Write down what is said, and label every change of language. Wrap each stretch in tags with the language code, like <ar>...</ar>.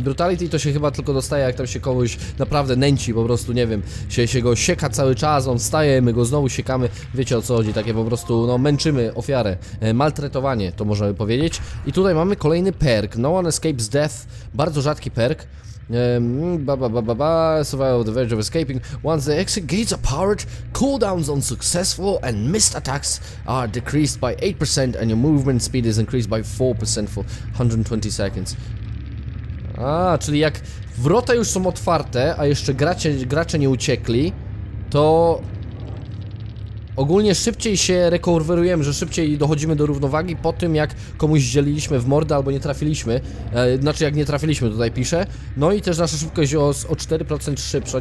<pl>Brutality to się chyba tylko dostaje, jak tam się kogoś naprawdę nęci, po prostu, nie wiem, się go sieka cały czas, on wstaje, my go znowu siekamy, wiecie o co chodzi, takie po prostu, no, męczymy ofiarę, maltretowanie, to możemy powiedzieć. I tutaj mamy kolejny perk, No One Escapes Death, bardzo rzadki perk.</pl> <en>Survival of the Verge of Escaping. Once the exit gates are powered, cooldowns on successful and missed attacks are decreased by 8% and your movement speed is increased by 4% for 120 seconds.</en> <pl>A, czyli jak wrota już są otwarte, a jeszcze gracze nie uciekli, to ogólnie szybciej się rekonwerujemy, że szybciej dochodzimy do równowagi po tym, jak komuś zdzieliliśmy w mordę albo nie trafiliśmy. Znaczy, jak nie trafiliśmy, tutaj pisze. No i też nasza szybkość o 4% szybsza.</pl>